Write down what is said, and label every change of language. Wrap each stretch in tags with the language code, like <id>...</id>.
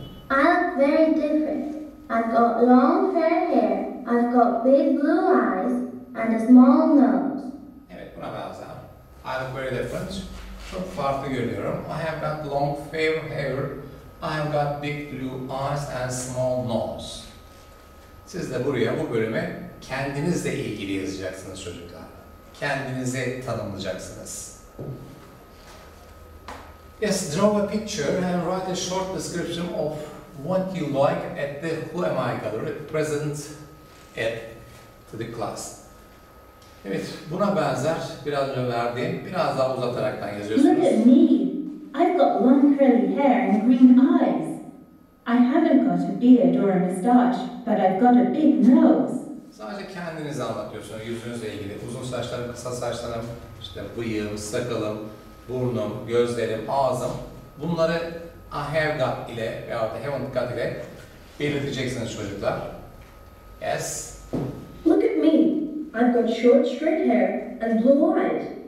<en>I look very different. I've got long fair hair. I've got big blue eyes and a small nose.</en> <tr>Evet, buna benzer.</tr> <en>I look very different.</en> <tr>Çok farklı görünüyorum.</tr> <en>I have got long fair hair. I have got big blue eyes and small nose.</en> <tr>Siz de buraya bu bölüme kendinizle ilgili yazacaksınız çocuklar. Kendinize tanımlayacaksınız.</tr> <en>Yes, draw a picture and write a short description of what you like at the Who Am I Gallery, present it to the class.</en> <tr>Evet, buna benzer biraz önce verdiğim, biraz daha uzataraktan yazıyorsunuz.</tr> <en>Look at me. I've got long curly hair and green eyes. I haven't got a beard or a moustache, but I've got a big nose.</en> <tr>Sadece kendinizi anlatıyorsunuz, yüzünüzle ilgili. Uzun saçlarım, kısa saçlarım, işte bıyığım, sakalım, burnum, gözlerim, ağzım. Bunları</tr> <en>I have got</en> <tr>ile veyahut da haven't got ile belirteceksiniz çocuklar.</tr> <en>Yes. Look at me. I've got short straight hair and blue eyes.</en>